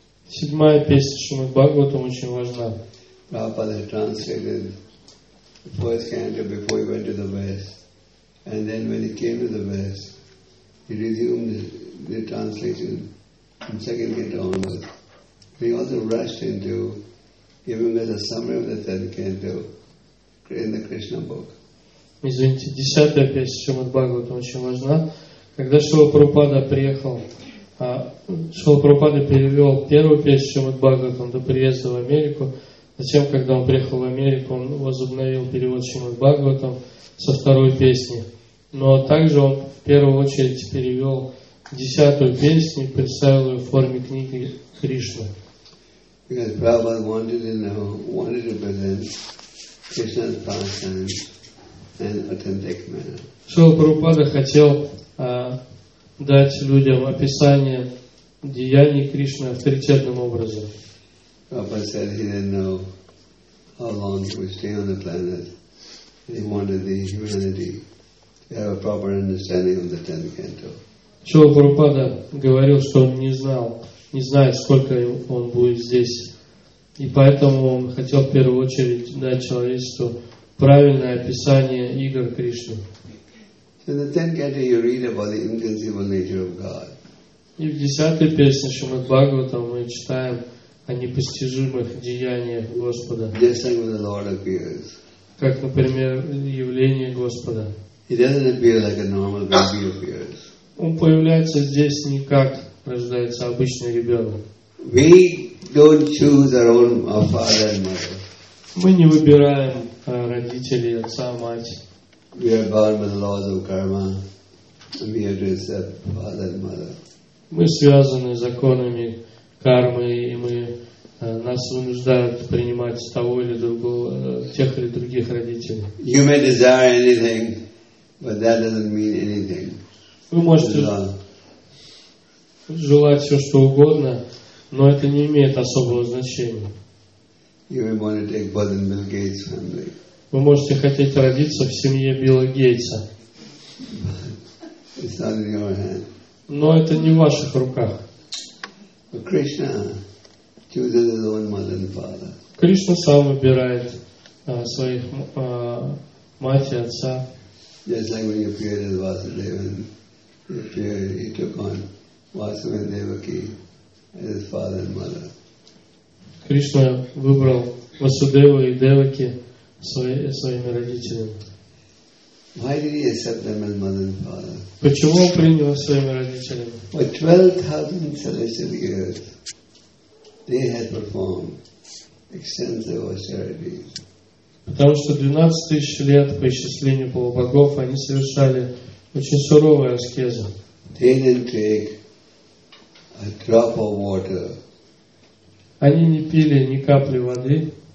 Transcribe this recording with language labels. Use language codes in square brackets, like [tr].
[ru] Седьмая песня Шримад Бхагаватам очень важна. [en] Prabhupada translated the first canto before he went to the West, and then when he came to the West, he resumed the translation from second canto onwards. He also rushed into giving us a summary of the third canto in the Krishna book. [ru] Извините, десятая песня Шримад Бхагаватам очень важна. Когда Шрила Прабхупада приехал. Шрила Прабхупада перевел первую песню Шримад Бхагаватам до приезда в Америку. Затем, когда он приехал в Америку, он возобновил перевод Шримад Бхагаватам со второй песни. Но также он в первую очередь перевел десятую песню и представил ее в форме книги Кришна. [en] Because Prabhupada wanted to present Krishna's pastime in authentic manner. [ru] Шрила Прабхупада хотел дать людям описание деяний Кришны авторитетным образом. [en] Prabhupada said he didn't know how long he would stay on the planet. He wanted the humanity to have a proper understanding of the tenth canto. [ru] Шрила Прабхупада говорил, что он не знает, сколько он будет здесь. И поэтому он хотел в первую очередь дать человечеству правильное описание игр Кришны. [en] In the tenth canto, you read about the inconceivable nature of God. [ru] И в десятой песне Шримад Бхагаватам мы читаем о непостижимых деяниях Господа. [en] Just like when the Lord appears. [ru] Как, например, явление Господа. [en] He doesn't appear like a normal baby appears. [ru] Он появляется здесь не как рождается обычный ребенок. [en] We don't choose our own father and mother. [ru] Мы не выбираем родителей, отца, мать. [en] We are bound by the laws of karma, and we have to accept father and mother. [ru] Мы связаны законами кармы, и мы нас вынуждают принимать того или другого, тех или других родителей. [en] You may desire anything, but that doesn't mean anything. [ru] Вы можете желать все что угодно, но это не имеет особого значения. [en] You may want to take birth in Bill Gates' family. [ru] Вы можете хотеть родиться в семье Билла Гейтса. [en] It's not in your hand. [ru] Но это не в ваших руках. [en] But Krishna chooses his own mother and father. [ru] Кришна сам выбирает своих мать и отца. [en] Just like when he appeared as Vasudeva, he took on Vasudeva and Devaki as his father and mother. [ru] Кришна выбрал Васудеву и Деваки своими родителями. [en] Why did he accept them as mother and father? [ru] Почему он принял своими родителями? [en] For 12,000 celestial years, they had performed extensive austerities. [ru] Потому что 12,000 лет по исчислению полубогов они совершали очень суровые аскезы. [en] They didn't take a drop of water. [ru] Они не пили ни капли воды.